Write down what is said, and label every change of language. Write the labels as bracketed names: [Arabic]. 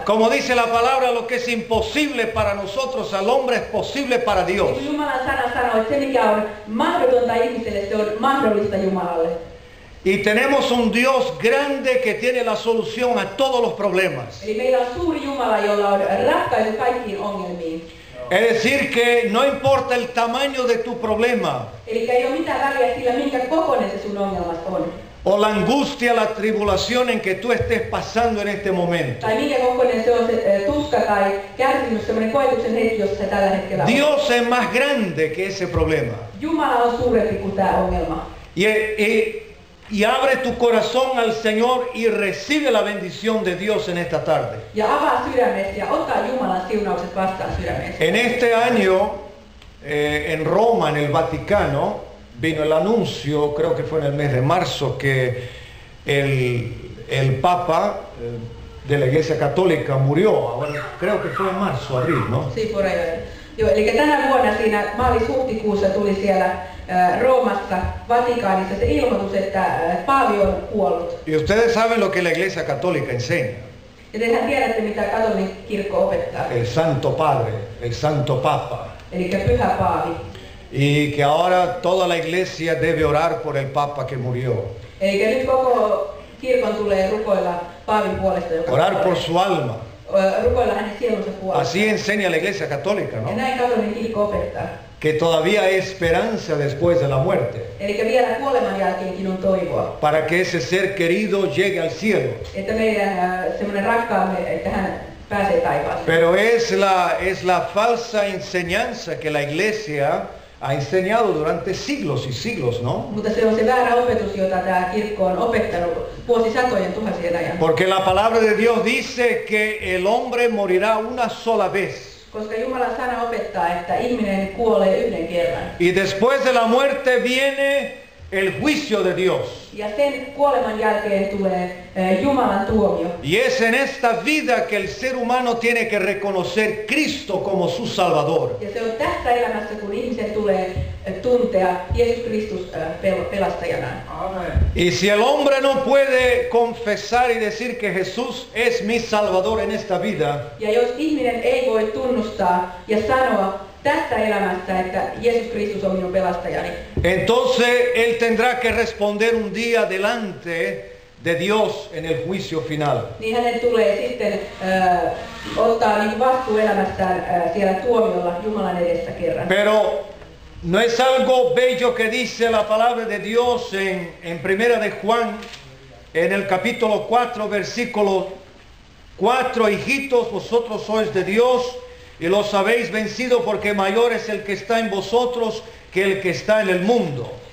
[Spanish] Como dice la palabra, lo que es imposible para nosotros, al hombre es posible para Dios. [Finnish] Niin kuin Jumalan sana sanoo, että se mikä on mahdotonta ihmiselle, se on mahdollista Jumalalle. [Spanish] Y tenemos un Dios grande que tiene la solución a todos los problemas. [Finnish] Eli meillä on suuri Jumala, jolla on ratkaisu kaikkiin ongelmiin. [Spanish] Es decir que no importa el tamaño de tu problema. [Finnish] Eli ei ole mitään väliä sillä, minkä kokoinen se sun ongelmat on. [Spanish] O la angustia, la tribulación en que tú estés pasando en este momento. [Finnish] Tai minkä kokoinen se on se tuska tai kärsimys, semmoinen koetuksen hetki, jos se tällä hetkellä on. [Spanish] Dios es más grande que ese problema. [Finnish] Jumala on suurempi kuin tämä ongelma. [Spanish] Y y abre tu corazón al Señor y recibe la bendición de Dios en esta tarde. [Finnish] Ja avaa sydämesi ja ottaa Jumalan siunaukset vastaan sydämesi. [Spanish] En este año, en Roma, en el Vaticano, vino el anuncio, creo que fue en el mes de marzo, que el Papa de la Iglesia Católica murió. Bueno, creo que fue en marzo, abril, ¿no? Sí, por ahí. [Finnish] Joo, eli tänä vuonna siinä maalis-huhtikuussa tuli siellä Roomassa, Vatikaanissa se ilmoitus, että paavi on kuollut. [Spanish] Y ustedes saben lo que la Iglesia Católica enseña. [Finnish] Ja tehän tiedätte, mitä katolinen kirkko opettaa. [Spanish] El Santo Padre, el Santo Papa. [Finnish] Eli pyhä paavi. [Spanish] Y que ahora toda la Iglesia debe orar por el Papa que murió. [Finnish] Eli nyt koko kirkon tulee rukoilla paavin puolesta, joka [Spanish] orar por su alma. [Finnish] Rukoilla hänen sielunsa puolesta. [Spanish] Así enseña la Iglesia Católica, ¿no? [Finnish] Ja näin katolinen kirkko opettaa. [Spanish] Que todavía hay esperanza después de la muerte. [Finnish] Eli que vielä kuoleman jälkeenkin on toivoa. [Spanish] Para que ese ser querido llegue al cielo. [Finnish] Että meidän semmoinen rakkaamme, että hän pääsee taivaaseen. [Spanish] Pero es la falsa enseñanza que la Iglesia ha enseñado durante siglos y siglos, ¿no? [Finnish] Mutta se on se väärä opetus, jota tämä kirkko on opettanut vuosisatojen tuhansien ajan. [Spanish] Porque la palabra de Dios dice que el hombre morirá una sola vez. [Finnish] Koska Jumalan sana opettaa, että ihminen kuolee yhden kerran. [Spanish] Y después de la muerte viene el juicio de Dios. [Finnish] Ja sen kuoleman jälkeen tulee Jumalan tuomio. [Spanish] Y es en esta vida que el ser humano tiene que reconocer Cristo como su Salvador. [Finnish] Ja se on tässä elämässä, kun ihmisen tulee tuntea Jeesus Kristus pelastajana. [Spanish] Amen. Y si el hombre no puede confesar y decir que Jesús es mi Salvador en esta vida. [Finnish] Ja jos ihminen ei voi tunnustaa ja sanoa tästä elämästä, että Jeesus Kristus on minun pelastajani. [Spanish] Entonces él tendrá que responder un día delante de Dios en el juicio final. [Finnish] Niin hänen tulee sitten ottaa niin vastuu elämästään siellä tuomiolla Jumalan edessä kerran. [Spanish] Pero no es algo bello que dice la palabra de Dios en primera de Juan, en el capítulo 4, versículo 4, hijitos, vosotros sois de Dios y los habéis vencido porque mayor es el que está en vosotros que el que está en el mundo.